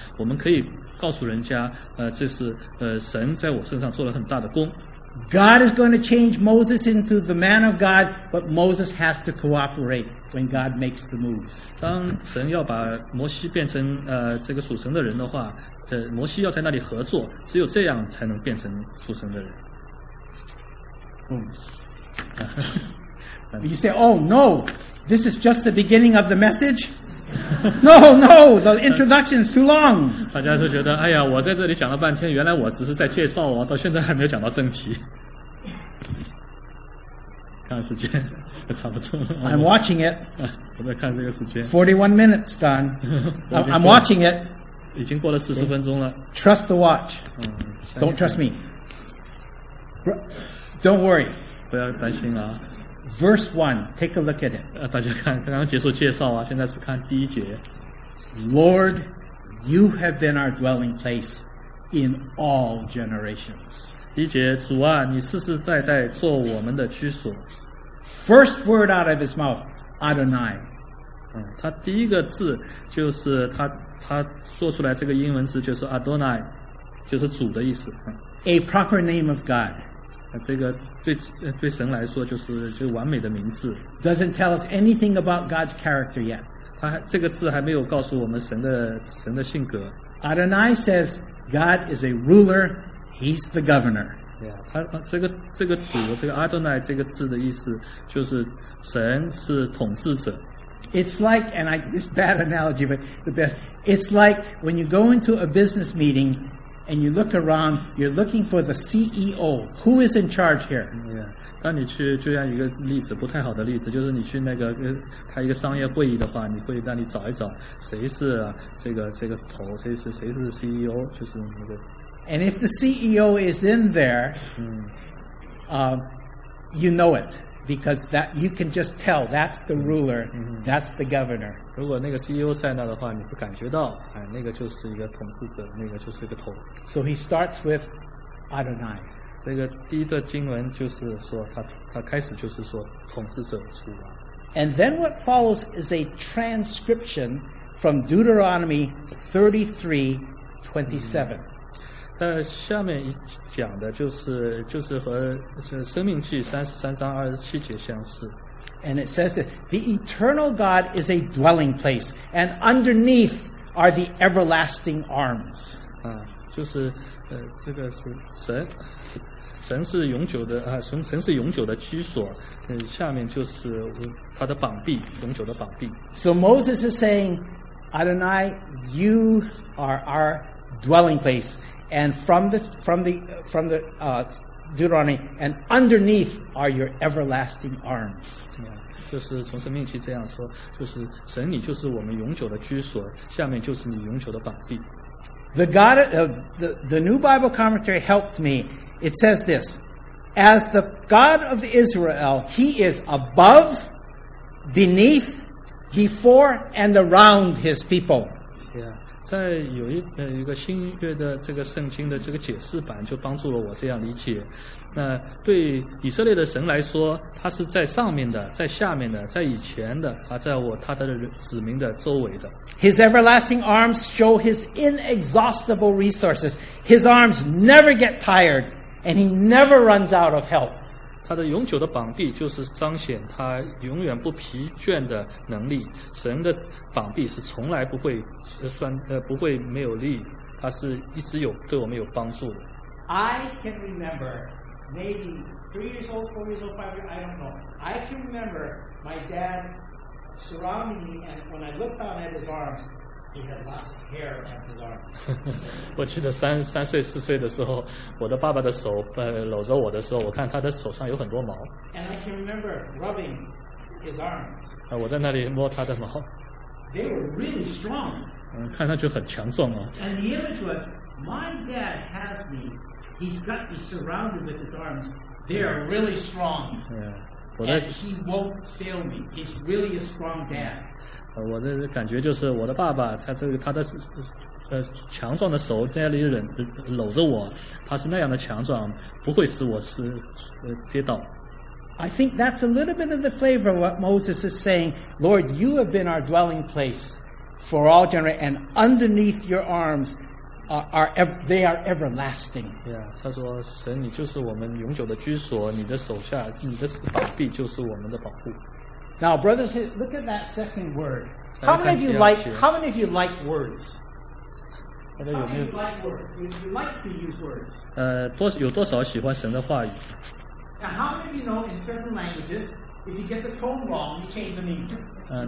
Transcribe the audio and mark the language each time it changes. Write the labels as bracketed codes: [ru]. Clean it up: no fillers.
[zh] 我们可以告诉人家，这是神在我身上做了很大的工。 [en] God is going to change Moses into the man of God, but Moses has to cooperate when God makes the moves. [zh] 当神要把摩西变成这个属神的人的话。摩西要在那里合作，只有这样才能变成出生的人。 [en] You say, oh no, this is just the beginning of the message? No, no, the introduction is too long. [zh] 大家都觉得，哎呀，我在这里讲了半天，原来我只是在介绍哦，到现在还没有讲到正题。看时间。 [en] I'm watching it. [zh] 我在看这个时间。 [en] 41 minutes gone. I'm watching it. [zh] 已经过了40分钟了。 [en] Trust the watch. Don't trust me. Don't worry. [zh] 不要担心啊。 [en] Verse 1, take a look at it. [zh] 大家看刚刚结束介绍啊，现在是看第一节。 [en] Lord, you have been our dwelling place in all generations. [zh] 第一节，主啊，你世世代代做我们的居所。 [en] First word out of his mouth, Adonai. [zh] 他第一个字就是他说出来这个英文字就是 Adonai， 就是主的意思。 [en] A proper name of God， [zh] 这个对神来说就是完美的名字。 [en] Doesn't tell us anything about God's character yet。 [zh] 他这个字还没有告诉我们神的性格。 [en] Adonai says God is a ruler, He's the governor。 [zh] 他这个主这个 Adonai 这个字的意思就是神是统治者。 [en] It's like, and it's a bad analogy, but the best. It's like when you go into a business meeting and you look around, you're looking for the CEO. Who is in charge here? Yeah. [zh] 当你去就像一个例子不太好的例子，就是你去那个开一个商业会议的话，你会让你找一找谁是这个头，谁是 CEO， 就是那个。 [en] And if the CEO is in there, you know it. Because that you can just tell that's the ruler, that's the governor. [zh] 如果那个 CEO 在那的话，你会感觉到，哎，那个就是一个统治者，那个就是一个头。 [en] So he starts with Adonai. [zh] 这个第一段经文就是说他开始就是说统治者主啊。 [en] And then what follows is a transcription from Deuteronomy 33:27. [zh] 在下面一讲的就是和《生命记》33:27相似。 And it says that the eternal God is a dwelling place, and underneath are the everlasting arms. 就是这个是神是永久的啊，神是永久的居所。下面就是他的膀臂，永久的膀臂。 [en] So Moses is saying, Adonai, you are our dwelling place. And from the Deuteronomy, and underneath are your everlasting arms. [zh] Yeah, 就是从生命期这样说，就是神，你就是我们永久的居所，下面就是你永久的膀臂。 [en] The New Bible Commentary helped me. It says this: As the God of Israel, He is above, beneath, before, and around His people. Yeah. [zh] 在有一一个新约的这个圣经的这个解释版就帮助了我这样理解。那对以色列的神来说，他是在上面的，在下面的，在以前的，啊，在我他的子民的周围的。 [en] His everlasting arms show His inexhaustible resources. His arms never get tired, and He never runs out of help. [zh] 他的永久的膀臂就是彰显他永远不疲倦的能力。神的膀臂是从来不会酸，不会没有力，他是一直有对我们有帮助的。 [en] I can remember. Maybe 3 years old, 4 years old, 5 years old, I don't know. I can remember my dad surrounding me, and when I looked down at his arms, he had lots of hair on his arms. [zh] 我记得三岁四岁的时候，我的爸爸的手搂着我的时候，我看他的手上有很多毛。 [en] And I can remember rubbing his arms. [zh] 我在那里摸他的毛。 [en] They were really strong. [zh] 看上去很强壮啊。 [en] And the image was, my dad has me. He's got me surrounded with his arms. They're really strong. Yeah. And he won't fail me. He's really a strong dad. [zh] 我的感觉就是我的爸爸，他的强壮的手在那里搂着我，他是那样的强壮，不会使我是跌倒。 [en] I think that's a little bit of the flavor of what Moses is saying. Lord, you have been our dwelling place for all generations, and underneath your arms. They are everlasting. [zh] Yeah, 他说神你就是我们永久的居所你的手下你的膀臂就是我们的保护 [en] Now brothers look at that second word How many of you like How many of you like words? How many of you like words? You like to use words [zh] 有多少喜欢神的话语 [en] Now how many of you know in certain languages If you get the tone wrong you change the meaning